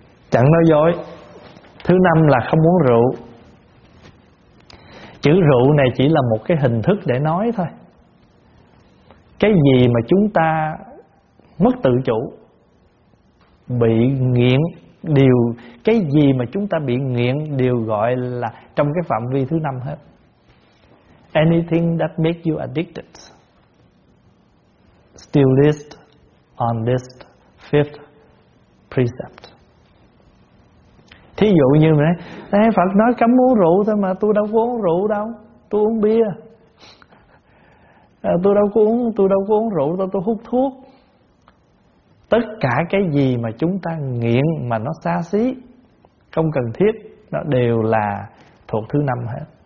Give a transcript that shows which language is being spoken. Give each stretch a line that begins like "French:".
Vietnamese: Chẳng nói dối. Thứ năm là không uống rượu. Chữ rượu này chỉ là một cái hình thức để nói thôi. Cái gì mà chúng ta mất tự chủ, bị nghiện đều, cái gì mà chúng ta bị nghiện đều gọi là trong cái phạm vi thứ năm hết.
English: Anything that makes you addicted, still list on this fifth precept.
Vietnamese: Thí dụ như mà nói, Phật nói cấm uống rượu thôi mà tôi đâu có uống rượu đâu, tôi uống bia. Tôi đâu có uống rượu đâu, tôi hút thuốc. Tất cả cái gì mà chúng ta nghiện mà nó xa xí, không cần thiết, nó đều là thuộc thứ năm hết.